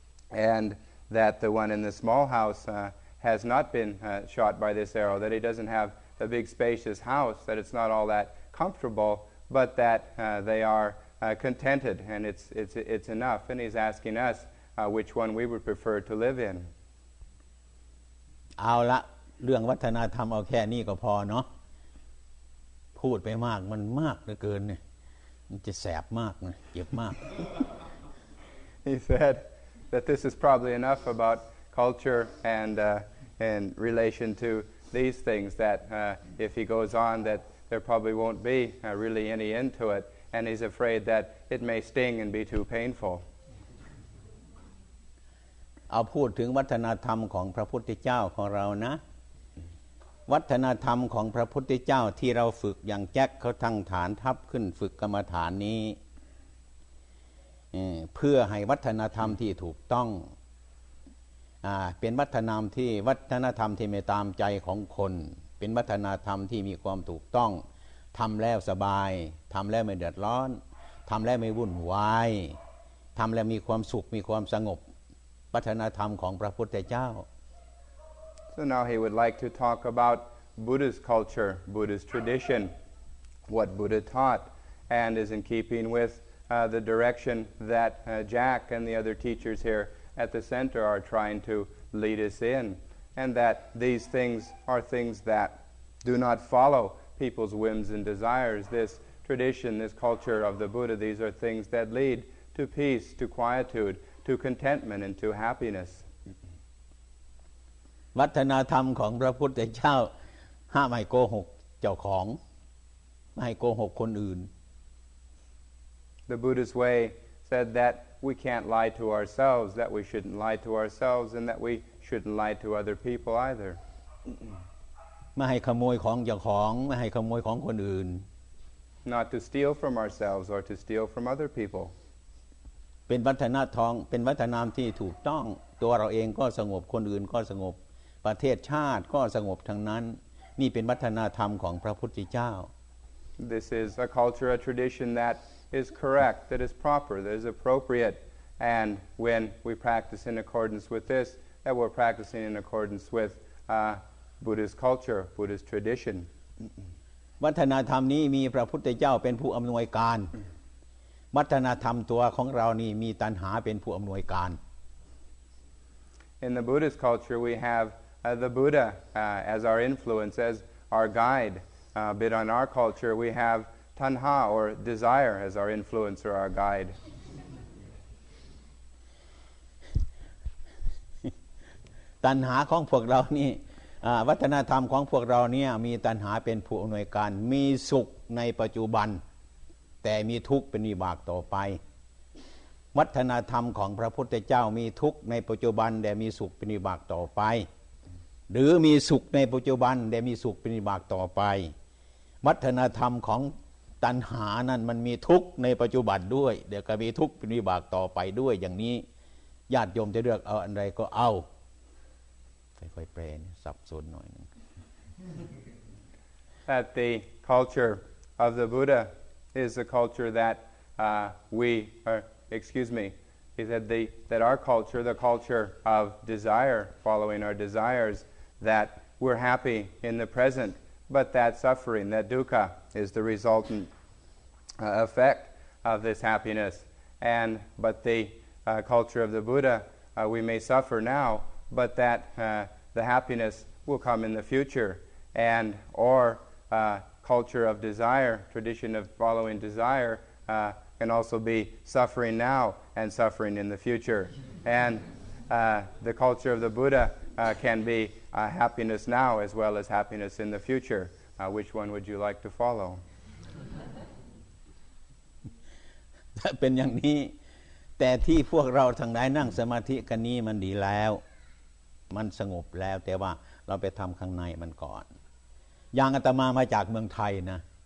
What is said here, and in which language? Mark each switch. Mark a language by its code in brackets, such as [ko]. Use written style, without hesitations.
[en] And that the one in the small house has not been shot by this arrow, that he doesn't have a big spacious house, that it's not all that comfortable, but that they are contented and it's enough. And he's asking us which one we would prefer to live in. [th] เอาละเรื่องวัฒนธรรมเอาแค่นี้ก็พอเนาะพูดไปมากมันมากเหลือเกินเนี่ยมันจะแสบมากเจ็บมาก [en] He said,that this is probably enough about culture and relation to these things, that if he goes on, that there probably won't be really any end to it, and he's afraid that it may sting and be too painful. [th] เอาพูดถึงวัฒนธรรมของพระพุทธเจ้าของเรานะวัฒนธรรมของพระพุทธเจ้าที่เราฝึกอย่างแจ็คเขาทั้งฐานทับขึ้นฝึกกรรมฐานนี้ เพื่อให้วัฒนธรรมที่ถูกต้องเป็นวัฒนธรรมที่ไม่ตามใจของคนเป็นวัฒนธรรมที่มีความถูกต้องทำแล้วสบายทำแล้วไม่เดือดร้อนทำแล้วไม่วุ่นวายทำแล้วมีความสุขมีความสงบวัฒนธรรมของพระพุทธเจ้า [en] So now he would like to talk about Buddhist culture, Buddhist tradition, what Buddha taught, and is in keeping withthe direction that Jack and the other teachers here at the center are trying to lead us in, and that these things are things that do not follow people's whims and desires. This tradition, this culture of the Buddha, these are things that lead to peace, to quietude, to contentment, and to happiness. [th] วัฒนธรรมของพระพุทธเจ้าห้ามให้โกหกเจ้าของไม่ให้โกหกคนอื่น [en] The Buddha's way said that we can't lie to ourselves, that we shouldn't lie to ourselves, and that we shouldn't lie to other people either. [th] ไม่ให้ขโมยของเจ้าของไม่ให้ขโมยของคนอื่น [en] Not to steal from ourselves or to steal from other people. [th] เป็นวัฒนธรรมเป็นวัฒนธรรมที่ถูกต้องตัวเราเองก็สงบคนอื่นก็สงบประเทศชาติก็สงบทั้งนั้นนี่เป็นวัฒนธรรมของพระพุทธเจ้า [en] This is a culture, a tradition thatis correct, that is proper, that is appropriate, and when we practice in accordance with this, that we're practicing in accordance with Buddhist culture, Buddhist tradition. [th] วัฒนธรรมนี้มีพระพุทธเจ้าเป็นผู้อำนวยการวัฒนธรรมตัวของเรานี่มีตัณหาเป็นผู้อำนวยการ [en] In the Buddhist culture, we have the Buddha as our influence, as our guide. But in our culture, we have tanha or desire as our influence or our guide. [th] ตัณหาของพวกเรานี่วัฒนธรรมของพวกเราเนี่ยมีตัณหาเป็นผู้อำนวยการมีสุขในปัจจุบันแต่มีทุกข์เป็นวิบากต่อไป วัฒนธรรมของพระพุทธเจ้ามีทุกข์ในปัจจุบันแต่มีสุขเป็นวิบากต่อไปหรือมีสุขในปัจจุบันแต่มีสุขเป็นวิบากต่อไปวัฒนธรรมของตัณหานั้นมันมีทุกข์ในปัจจุบันด้วยเดี๋ยวก็มีทุกข์เป็นวิบากต่อไปด้วยอย่างนี้ญาติโยมจะเลือกเอาอะไรก็เอาค่อยแปลเนี่ยสับสนหน่อยนึง [en] That the culture of the Buddha is a culture that that our culture, the culture of desire, following our desires, that we're happy in the present, but that suffering, that dukkha, is the resultant effect of this happiness. But the culture of the Buddha, we may suffer now, but that the happiness will come in the future. And our culture of desire, tradition of following desire, can also be suffering now and suffering in the future. And the culture of the Buddha can be happiness now as well as happiness in the future. Which one would you like to follow? [th] ถ้าเป็นอย่างนี้แต่ที่พวกเราทั้งหลายนั่งสมาธิกันนี้มันดีแล้วมันสงบแล้วแต่ว่าเราไปทําข้างในมันก่อนอย่างอาตมามาจากเมืองไทยนะ